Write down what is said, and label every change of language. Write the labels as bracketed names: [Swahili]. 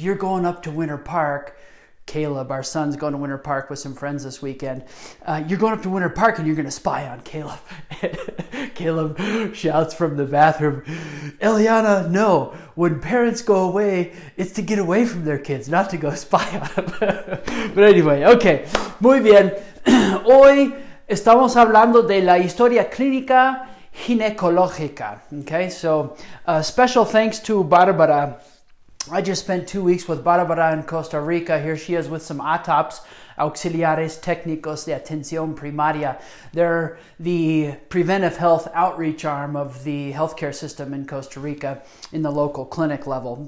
[English] You're going up to Winter Park. Caleb, our son's going to Winter Park with some friends this weekend. You're going up to Winter Park and you're going to spy on Caleb. Caleb shouts from the bathroom, Ileana, no, when parents go away, it's to get away from their kids, not to go spy on them. But anyway, okay, muy bien. [Spanish] Hoy estamos hablando de la historia clínica ginecológica. [English] Okay, so special thanks to Barbara. I just spent 2 weeks with Barbara in Costa Rica. Here she is with some ATOPS, Auxiliares Técnicos de Atención Primaria. They're the preventive health outreach arm of the healthcare system in Costa Rica in the local clinic level.